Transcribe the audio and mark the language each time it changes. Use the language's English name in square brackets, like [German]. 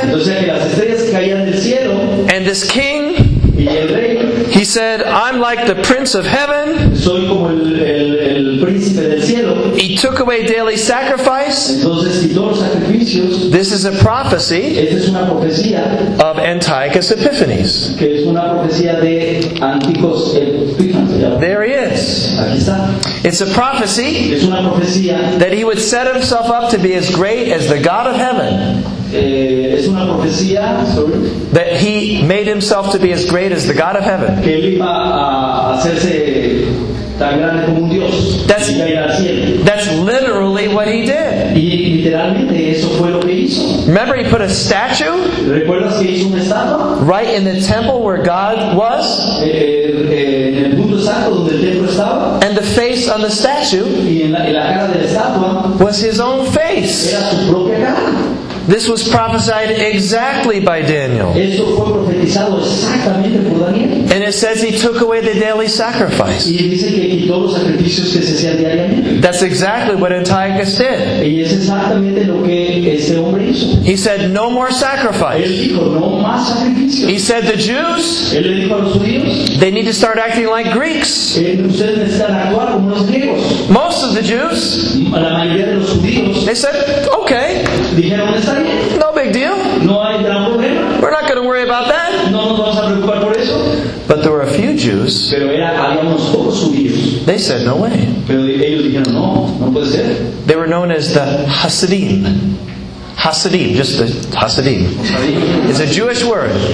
[Spanish] Entonces, las estrellas caían del cielo, [English] and this king, [Spanish] y el rey, [English] he said, I'm like the prince of heaven. [Spanish] Soy como el príncipe del cielo. [English] He took away daily sacrifice. [Spanish] Entonces, quitó los sacrificios. [English] This is a prophecy, [Spanish] esta es una profecía, [English] of Antiochus Epiphanes. [Spanish] Que es una profecía de Antiochus Epiphanes. [English] There he is. [Spanish] Aquí está. [English] It's a prophecy, [Spanish] es una profecía, [English] that he would set himself up to be as great as the God of heaven. [Spanish] Es una profecía, [English] that he made himself to be as great as the God of heaven. [Spanish] Que él iba a hacerse tan grande como un Dios. [English] That's literally what he did. [Spanish] Y literalmente eso fue lo que hizo. [English] Remember, he put a statue, [Spanish] ¿recuerdas que hizo una estatua? [English] Right in the temple where God was. [Spanish] En el punto santo donde el templo estaba. [English] And the face on the statue, [Spanish] y en la cara de la estatua, [English] was his own face. [Spanish] Era su propia cara. [English] This was prophesied exactly by Daniel. [Spanish] Esto fue profetizado exactamente por Daniel. [English] And it says he took away the daily sacrifice. [Spanish] Y dice que quitó los sacrificios que se hacían diariamente. [English] That's exactly what Antiochus did. [Spanish] Y es exactamente lo que este hombre hizo. [English] He said, no more sacrifice. [Spanish] Él dijo, no más sacrificios. [English] He said, the Jews, [Spanish] él le dijo a los judíos, [English] they need to start acting like Greeks. [Spanish] Ustedes necesitan actuar como los griegos. [English] Most of the Jews, [Spanish] la mayoría de los judíos, [English] they said, okay. [Spanish] Dijeron, [English] no big deal. [Spanish] No hay gran problema. [English] We're not going to worry about that. [Spanish] No nos vamos a preocupar por eso. [English] But there were a few Jews. [Spanish] Pero había unos pocos judíos. [English] They said, no way. [Spanish] Pero ellos dijeron, no, no puede ser. [English] They were known as the Hasidim. Hasidim, just the Hasidim. It's a Jewish word.